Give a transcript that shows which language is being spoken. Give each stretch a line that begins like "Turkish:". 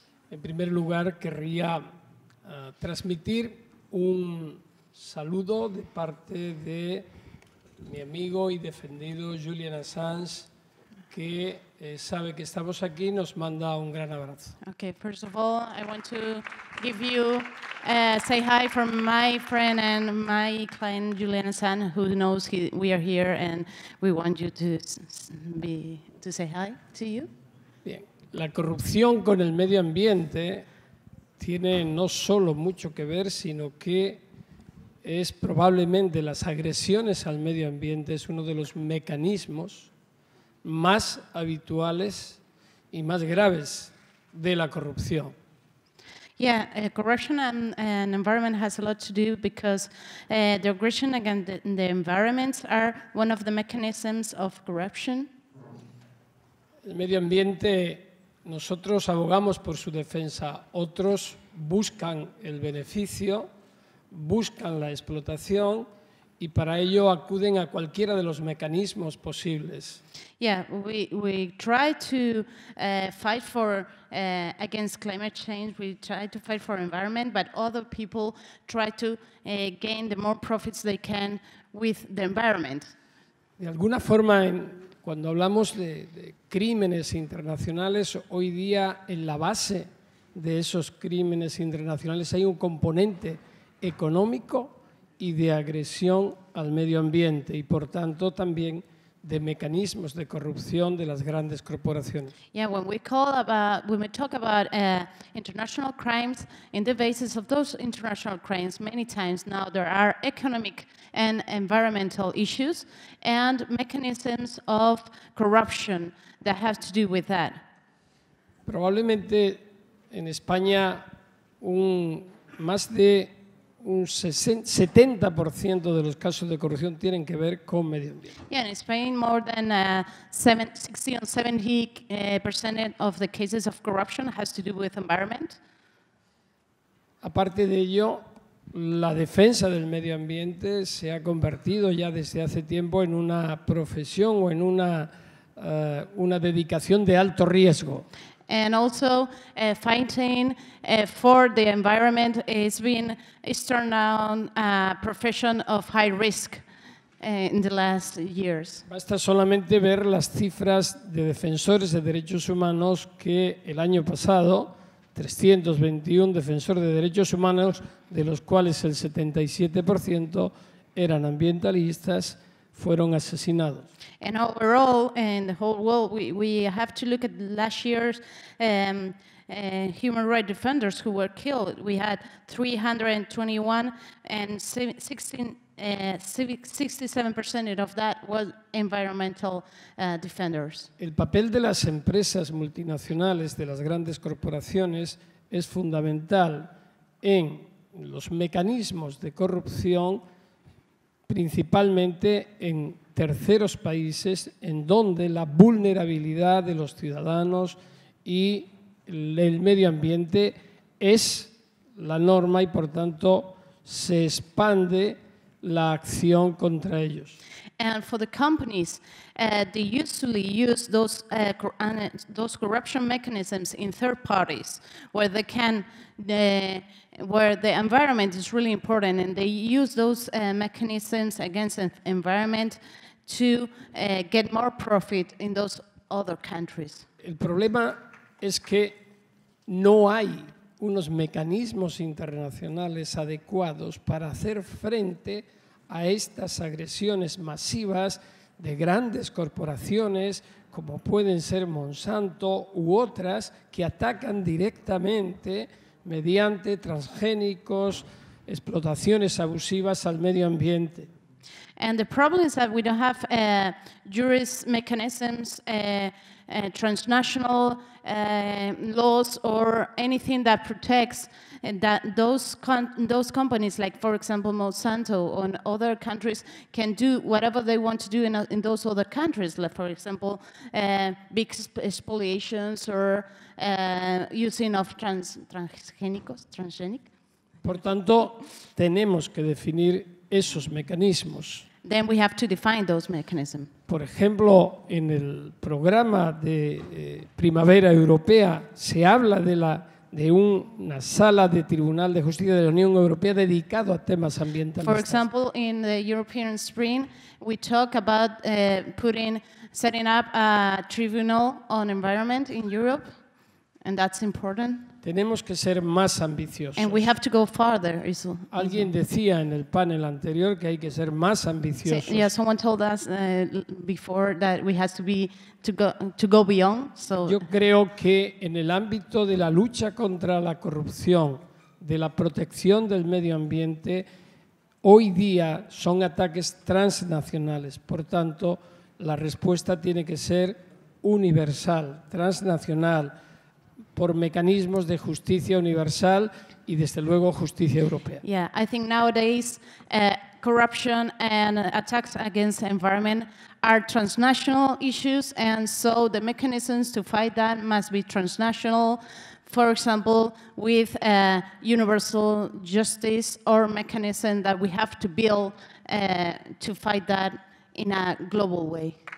Spanish: En primer lugar, querría transmitir un saludo de parte de mi amigo y defendido Julian Assange, que sabe que estamos aquí, nos manda un gran abrazo.
English: Okay, first of all, I want to give you say hi from my friend and my client Julian Assange, who knows we are here, and we want you to say hi to you.
Spanish: Bien, la corrupción con el medio ambiente tiene no solo mucho que ver, sino que es probablemente las agresiones al medio ambiente es uno de los mecanismos más habituales y más graves de la corrupción.
English: Yeah, corruption and environment has a lot to do because the aggression against the environment are one of the mechanisms of corruption.
Spanish: El medio ambiente, nosotros abogamos por su defensa, otros buscan el beneficio, buscan la explotación y para ello acuden a cualquiera de los mecanismos posibles.
English: Yeah, we try to fight for against climate change, we try to fight for environment, but other people try to gain the more profits they can with the environment.
Spanish: De alguna forma, cuando hablamos de crímenes internacionales, hoy día en la base de esos crímenes internacionales hay un componente económico y de agresión al medio ambiente y por tanto también de mecanismos de corrupción de las grandes corporaciones.
English: Yeah, when we talk about international crimes, in the basis of those international crimes, many times now there are economic and environmental issues and mechanisms of corruption that have to do with that.
Spanish: Probablemente en España más de un 70% de los casos de corrupción tienen que ver con medio ambiente.
English: Yeah, in Spain, more than 60 or 70% of the cases of corruption has to do with environment.
Spanish: Aparte de ello, la defensa del medio ambiente se ha convertido ya desde hace tiempo en una profesión o en una dedicación de alto riesgo.
English: And also fighting for the environment is being turned down a profession of high risk in the last years.
Spanish: Basta solamente ver las cifras de defensores de derechos humanos que el año pasado 321 defensores de derechos humanos, de los cuales el 77% eran ambientalistas, fueron asesinados.
English: And overall, in the whole world, we have to look at last year's human rights defenders who were killed. We had 321, and 67% of that was environmental defenders.
Spanish: El papel de las empresas multinacionales, de las grandes corporaciones, es fundamental en los mecanismos de corrupción principalmente en terceros países en donde la vulnerabilidad de los ciudadanos y el medio ambiente es la norma y por tanto se expande la acción contra ellos.
English: And for the companies, they usually use those corruption mechanisms in third parties where they can where the environment is really important and they use those mechanisms against the environment to get more profit in those other countries.
Spanish: El problema es que no hay unos mecanismos internacionales adecuados para hacer frente a estas agresiones masivas de grandes corporaciones como pueden ser Monsanto u otras que atacan directamente mediante transgénicos, explotaciones abusivas al medio ambiente.
English: And the problem is that we don't have jurist mechanisms, transnational laws or anything that protects that those companies, like for example Monsanto or other countries, can do whatever they want to do in those other countries, like for example big expoliations or using of transgenic.
Spanish: Por tanto, tenemos que definir esos mecanismos.
English: Then we have to define those mechanisms.
Spanish: Por ejemplo, en el programa de Primavera Europea se habla de una sala de Tribunal de Justicia de la Unión Europea dedicado a temas ambientales.
English: For example, in the European Spring, we talk about setting up a tribunal on environment in Europe, and that's important.
Spanish: Tenemos que ser más ambiciosos.
English: And we have to go farther, Isu.
Spanish: Alguien decía en el panel anterior que hay que ser más ambiciosos.
English: Yeah, someone told us before that we have to be to go beyond. So
Spanish: yo creo que en el ámbito de la lucha contra la corrupción, de la protección del medio ambiente, hoy día son ataques transnacionales. Por tanto, la respuesta tiene que ser universal, transnacional, por mecanismos de justicia universal y desde luego justicia europea.
English: Yeah, I think nowadays corruption and attacks against the environment are transnational issues and so the mechanisms to fight that must be transnational, for example, with universal justice or mechanism that we have to build to fight that in a global way.